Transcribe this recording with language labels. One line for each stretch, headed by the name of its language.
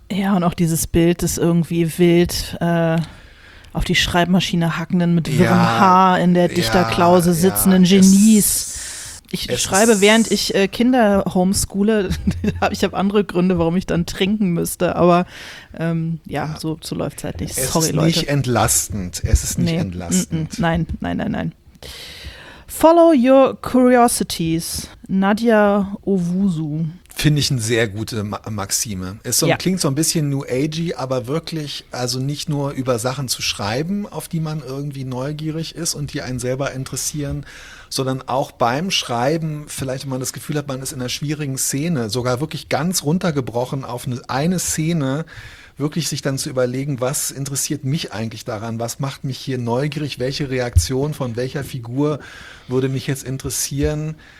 German: Ja, und auch dieses Bild ist irgendwie wild. Auf die Schreibmaschine hackenden, mit wirrem Haar in der Dichterklause sitzenden Genies. Während ich Kinder homeschoole, ich habe andere Gründe, warum ich dann trinken müsste, aber so läuft es halt nicht. Sorry, Leute. Es ist nicht entlastend. Nein.
English: Follow your curiosities.
German: Nadia Owusu. Finde ich eine sehr gute Maxime. Klingt so ein bisschen New Agey, aber wirklich, also nicht nur über Sachen zu schreiben, auf die man irgendwie neugierig ist und die einen selber interessieren, sondern auch beim Schreiben, vielleicht wenn man das Gefühl hat, man ist in einer schwierigen Szene, sogar wirklich ganz runtergebrochen auf eine Szene, wirklich sich dann zu überlegen, was interessiert mich eigentlich daran, was macht mich hier neugierig, welche Reaktion von welcher Figur würde mich jetzt interessieren.